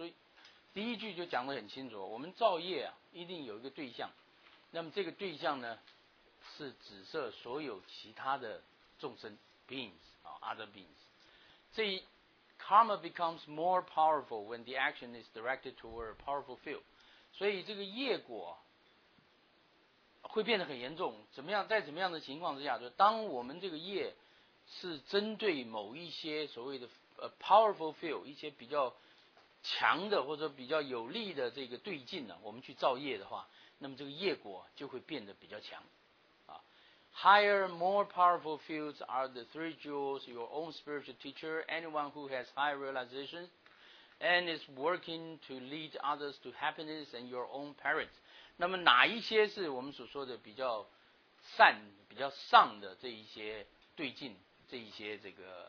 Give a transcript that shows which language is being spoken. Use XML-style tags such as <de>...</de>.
<zh>所以第一句就讲得很清楚，我们造业啊一定有一个对象，那么这个对象呢是指涉所有其他的众生 beings 啊 other beings。这</zh> <en>karma becomes more powerful when the action is directed toward a powerful field。</en> <zh>所以这个业果会变得很严重，怎么样，在怎么样的情况之下，就当我们这个业是针对某一些所谓的powerful field， 一些比较强的或者比较有力的这个对境呢，我们去造业的话，那么这个业果就会变得比较强啊。</zh> <en>Higher, more powerful fields are the three jewels, your own spiritual teacher, anyone who has high realization and is working to lead others to happiness and your own parents。</en> <zh>那么哪一些是我们所说的比较善比较上的这一些对境，这一些这个</zh>